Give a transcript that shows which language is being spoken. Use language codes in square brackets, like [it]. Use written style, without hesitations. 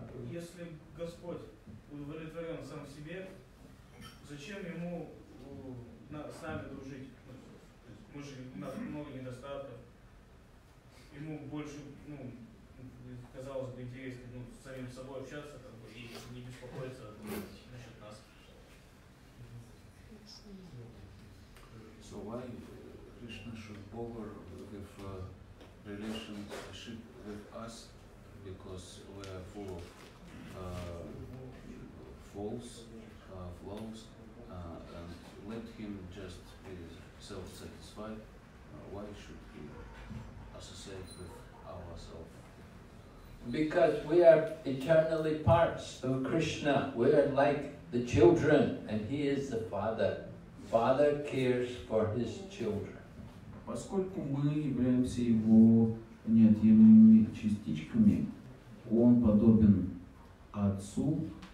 [ru] Если Господь удовлетворен сам себе, зачем ему с нами дружить? Мы же, у нас много недостатков. Ему больше, ну, казалось бы, интересно, ну, с самим собой общаться, как бы, и не беспокоиться насчет нас. [en] So why Krishna should bother with relationship with us? Because we are full of flaws, and let him just be self-satisfied. Why should he associate with ourselves? Because we are eternally parts of Krishna. We are like the children, and he is the father. Father cares for his children. [ru] Поскольку мы являемся его неотъемлемыми частичками, он подобен отцу.